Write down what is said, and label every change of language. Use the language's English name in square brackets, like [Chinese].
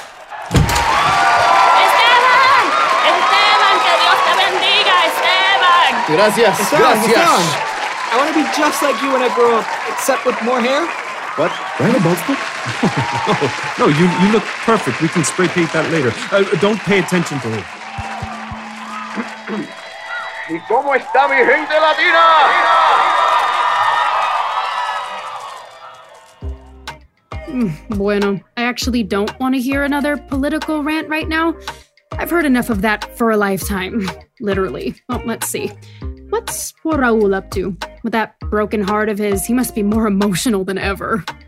[Spanish] Esteban, que Dios te bendiga, Esteban! Gracias, Esteban, gracias. [English] I want to be just like you when I grow up, except with more hair. What? Do I have a bald spot? No, you look perfect. We can spray paint that later. Don't pay attention to him. [Spanish] ¿Y cómo está mi gente latina? [English] Bueno, I actually don't want to hear another political rant right now. I've heard enough of that for a lifetime. Literally. Well, let's see. What's poor Raul up to? With that broken heart of his, he must be more emotional than ever.